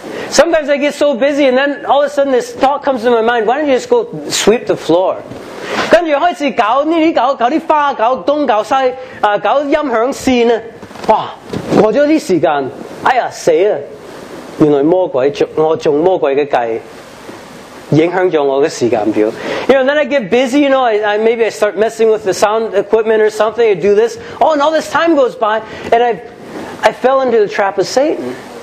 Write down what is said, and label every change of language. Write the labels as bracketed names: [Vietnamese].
[English] Sometimes I get so busy and then all of a sudden this thought comes to my mind, why don't you just go sweep the floor? [Cantonese] 跟住开始搞呢啲搞啲花搞东搞西，搞音响线啊，哇，过咗啲时间，哎呀死啊，原来魔鬼我中魔鬼嘅计，影响咗我嘅时间表。 [English] You know, then I get busy, you know, I start messing with the sound equipment or something, I do this, oh, and all this time goes by, and I fell into the trap of Satan.